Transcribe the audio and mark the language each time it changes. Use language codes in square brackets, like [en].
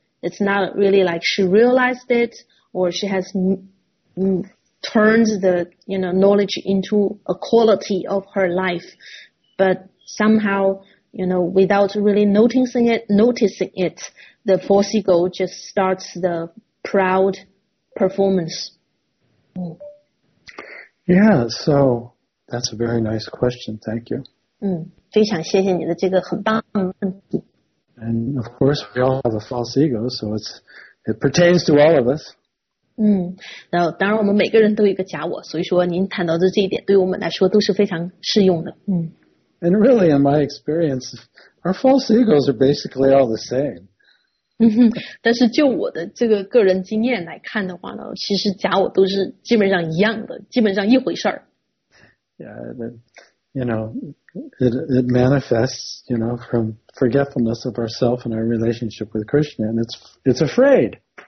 [en] It's not really like she realized it or she has turns the, you know, knowledge into a quality of her life, but somehow, you know, without really noticing it, the false ego just starts the proud performance. Yeah, so that's a very nice question. Thank you. [zh] 非常谢谢你的这个很棒的问题。 [en] And of course, we all have a false ego, so it pertains to all of us. [zh] 嗯，然后当然我们每个人都有一个假我，所以说您谈到的这一点对我们来说都是非常适用的。嗯。 [en] And really, in my experience, our false egos are basically all the same. [zh] 但是就我的这个个人经验来看的话呢，其实假我都是基本上一样的，基本上一回事儿。 [en] Yeah, you know, it manifests, you know, from forgetfulness of ourself and our relationship with Krishna, and it's afraid.